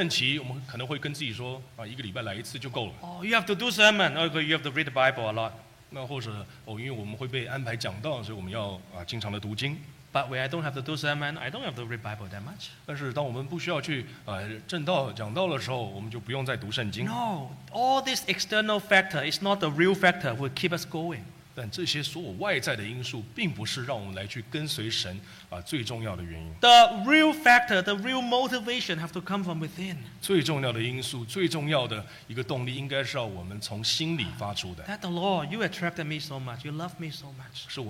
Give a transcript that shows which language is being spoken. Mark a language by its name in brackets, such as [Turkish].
[Chinese] 或者在我们结束我们的任期，我们可能会跟自己说，一个礼拜来一次就够了。 [English] Oh, you have to do sermon, or you have to read the Bible a lot. [Chinese] 那或者，因为我们会被安排讲道，所以我们要经常的读经。 [English] But when I don't have to do sermon, I don't have to read Bible that much. [Chinese] 但是当我们不需要去正道讲道的时候，我们就不用再读圣经。 [English] No, all this external factor is not the real factor will keep us going. [Chinese] 但这些所有外在的因素，并不是让我们来去跟随神最重要的原因。 [English] The real factor, the real motivation have to come from within. [Chinese] 最重要的因素，最重要的一个动力，应该是要我们从心里发出的。 [English] That the Lord, you attracted me so much, you love me so much.